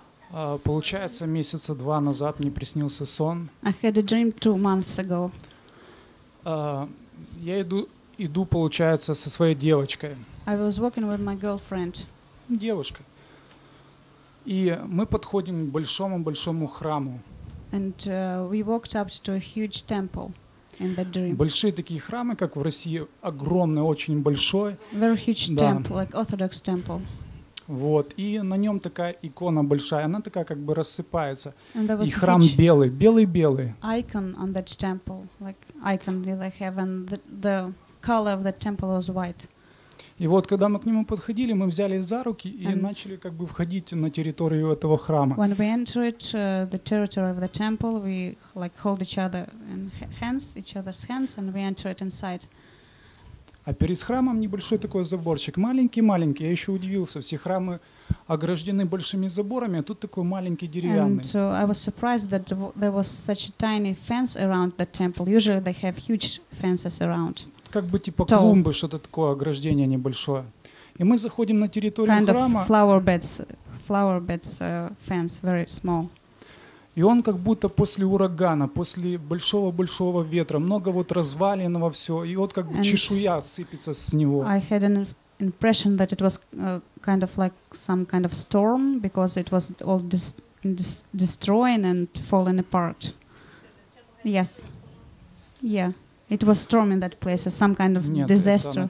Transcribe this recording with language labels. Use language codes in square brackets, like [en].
[ru] Получается, месяца два назад мне приснился сон. [en] I had a dream 2 months ago. [ru] Я иду, получается, со своей девочкой. [en] I was walking with my girlfriend. [ru] Девушка. И мы подходим к большому-большому храму. [en] And we walked up to a huge temple in that dream. [ru] Большие такие храмы, как в России, огромный, очень большой. [en] Very huge temple, like Orthodox temple. [ru] Вот, и на нем такая икона большая, она такая как бы рассыпается. И храм белый, белый-белый. [en] Icon on that temple, like icon in the heaven, the color of the temple was white. [ru] И вот, когда мы к нему подходили, мы взяли за руки и начали как бы входить на территорию этого храма. [en] When we entered the territory of the temple, we like hold each other in hands, each other's hands, and we entered inside. [ru] А перед храмом небольшой такой заборчик, маленький-маленький. Я еще удивился, все храмы ограждены большими заборами, а тут такой маленький деревянный. [en] And I was surprised that there was such a tiny fence around the temple. Usually they have huge fences around. [ru] Как бы типа клумбы, что-то такое, ограждение небольшое. И мы заходим на территорию [en] kind [ru] храма. [en] Kind of flower beds, fence, very small. [ru] И он как будто после урагана, после большого-большого ветра, много вот разваленного все, и вот как бы чешуя сыпется с него. [en] I had an impression that it was kind of like some kind of storm, because it was all destroying and falling apart. Yes. Yeah. It was storm in that place, some kind of disaster.